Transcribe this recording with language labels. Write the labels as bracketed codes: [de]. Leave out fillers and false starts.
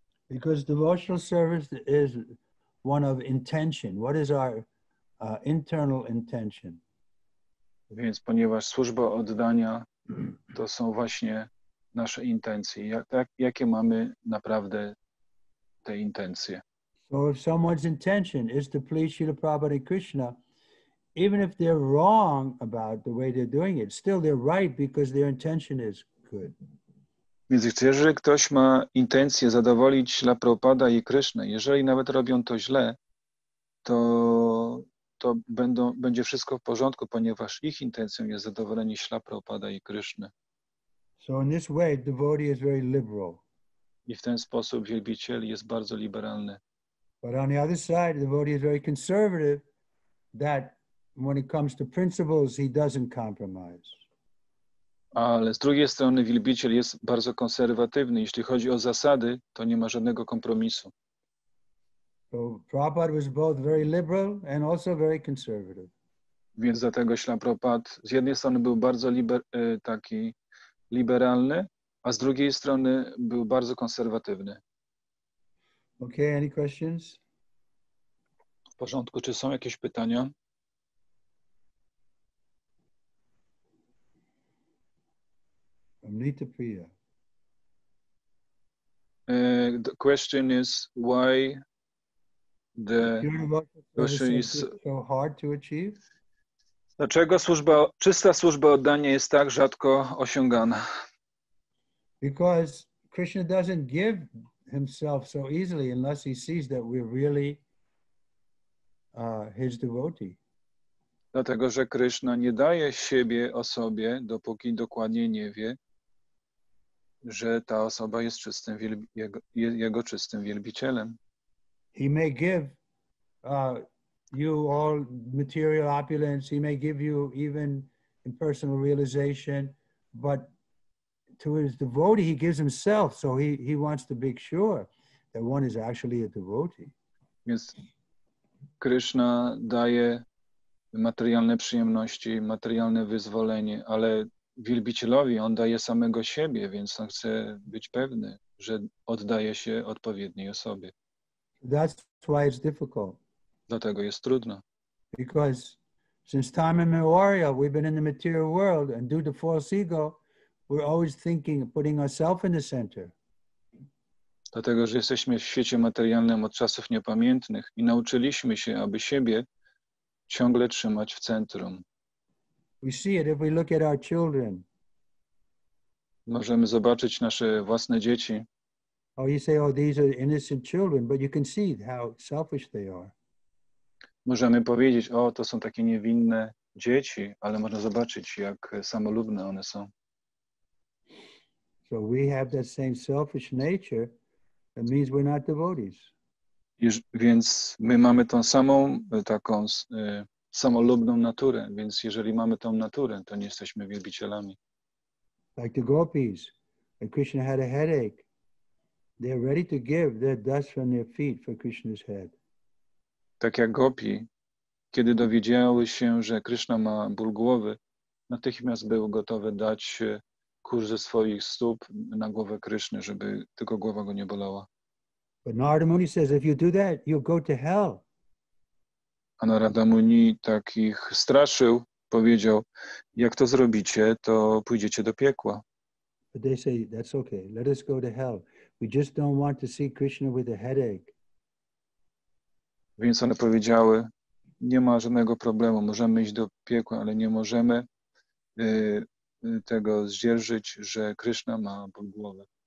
[en] Because devotional service is one of intention. What is our internal intention? [pl] Więc ponieważ służba oddania to są właśnie nasze intencje. Jakie mamy naprawdę te intencje? [en] So if someone's intention is to please Śrīla Prabhupāda Krishna, Even if they're wrong about the way they're doing it, still they're right because their intention is good. [pl] Więc jeżeli ktoś ma intencję zadowolić La Prabhupada i Krysznę, jeżeli nawet robią to źle, to, to będą, będzie wszystko w porządku, ponieważ ich intencją jest zadowolenie La Prabhupada i Krysznę. [en] So in this way, devotee is very liberal. [pl] I w ten sposób wielbiciel jest bardzo liberalny. [en] But on the other side, devotee is very conservative, that when it comes to principles, he doesn't compromise. [pl] Ale z drugiej strony wielbiciel jest bardzo konserwatywny. Jeśli chodzi o zasady, to nie ma żadnego kompromisu. [en] So Prabhupada was both very liberal and also very conservative. [pl] Więc dlatego Śrīla Prabhupāda z jednej strony był bardzo taki liberalny, a z drugiej strony był bardzo konserwatywny. [en] Okay, any questions? [pl] W porządku, czy są jakieś pytania? [en] Amrita Priya. The question is why the devotion is so hard to achieve? [pl] Dlaczego służba, czysta służba oddania jest tak rzadko osiągana? [en] Because Krishna doesn't give himself so easily unless he sees that we're really his devotee. [pl] Dlatego, że Krishna nie daje siebie osobie, dopóki dokładnie nie wie, że ta osoba jest czystym jego czystym wielbicielem. [en] He may give you all material opulence, he may give you even impersonal realization, but to his devotee, he gives himself, so he wants to be sure that one is actually a devotee. [pl] Więc Krishna daje materialne przyjemności, materialne wyzwolenie, ale wielbicielowi on daje samego siebie, więc on chce być pewny, że oddaje się odpowiedniej osobie. [en] That's why it's difficult. [pl] Dlatego jest trudno. [en] Because since time immemorial, we've been in the material world, and due to false ego, we're always thinking of putting ourselves in the center. [pl] Dlatego, że jesteśmy w świecie materialnym od czasów niepamiętnych i nauczyliśmy się, aby siebie ciągle trzymać w centrum. [en] We see it if we look at our children. [pl] Możemy zobaczyć nasze własne dzieci. [en] Oh, you say, oh, these are innocent children, but you can see how selfish they are. [pl] Możemy powiedzieć, o, to są takie niewinne dzieci, ale można zobaczyć, jak samolubne one są. [en] So we have that same selfish nature, that means we're not devotees. [pl] Więc my mamy tą samą taką samolubną naturę, więc jeżeli mamy tą naturę, to nie jesteśmy wielbicielami. [en] Like the gopis, when Krishna had a headache, they are ready to give their dust from their feet for Krishna's head. [pl] Tak jak gopi, kiedy dowiedziały się, że Krishna ma ból głowy, natychmiast były gotowe dać kurz ze swoich stóp na głowę Krishny, żeby tylko głowa go nie bolała. [en] But Narada Muni says, if you do that, you'll go to hell. [pl] A Narada Muni tak ich straszył, powiedział, jak to zrobicie, to pójdziecie do piekła. [en] But they say, that's okay, let us go to hell. We just don't want to see Krishna with a headache. [pl] Więc one powiedziały, nie ma żadnego problemu, możemy iść do piekła, ale nie możemy tego zdzierżyć, że Krishna ma ból głowy.